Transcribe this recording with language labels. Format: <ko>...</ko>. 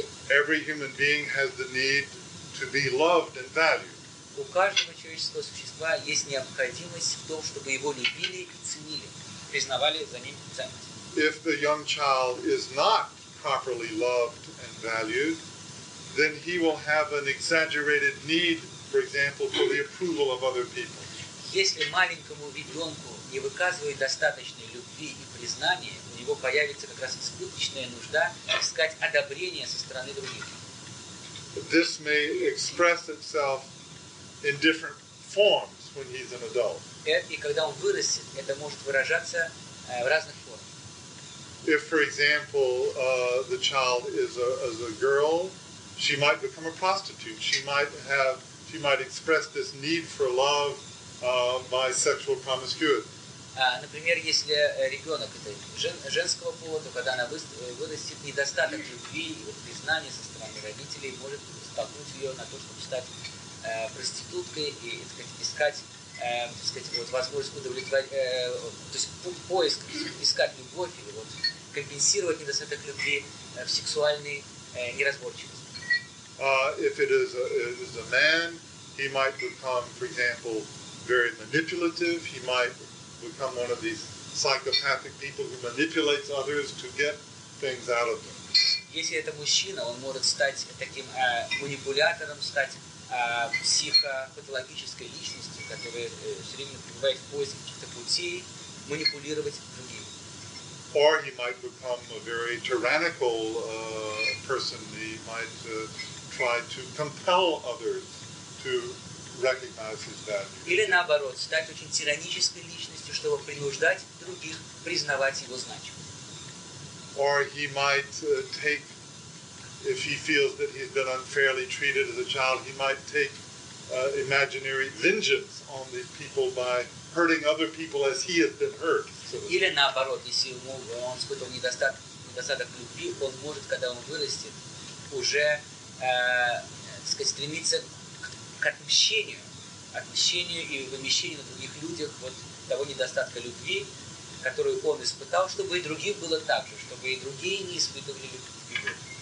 <en>every human being has the need to be loved and valued.</en> <ru>У каждого человеческого существа есть необходимость в том, чтобы его любили и ценили, признавали за ним ценность.</ru> <en>If the young child is not properly loved and valued, then he will have an exaggerated need, for example, for the approval of other people.</en> <ru>Если маленькому ребенку не выказывают достаточной любви и признания, у него появится как раз избыточная нужда искать одобрение со стороны других.</ru> <en>This may express itself in different forms when he's an adult.</en> <ru>И когда он вырастет, это может выражаться в разных формах.</ru> <en>If, for example, the child is a girl, she might become a prostitute. She might express this need for love by sexual promiscuity.</en> <ru>Например, если ребенок это женского пола, то когда она вырастет, недостаток любви и признания со стороны родителей может столкнуть ее на то, чтобы стать проституткой и искать возможность удовлетворить, то есть поиск, искать любовь или компенсировать недостаток любви в сексуальной неразборчивости.</ru> <en>If it is a man, he might become, for example, very manipulative. He might become one of these psychopathic people who manipulates others to get things out of them.</en> <ru>Если это мужчина, он может стать таким манипулятором, стать психопатологической личностью, которая все время пребывает в поиске каких-то путей манипулировать другими.</ru> <en>Or he might become a very tyrannical person. He might try to compel others to recognize his value.</en> <ru>Или наоборот, стать очень тиранической личностью, чтобы принуждать других признавать его значимость.</ru> <en>Or he might take, if he feels that he's been unfairly treated as a child, he might take imaginary vengeance on these people by hurting other people as he has been hurt.</en> <ru>Или наоборот, если он испытывал недостаток любви, он может, когда он вырастет, уже стремиться к отмщению и вымещению на других людях того недостатка любви, которую он испытал, чтобы и другим было так же, чтобы и другие не испытывали любви.</ru>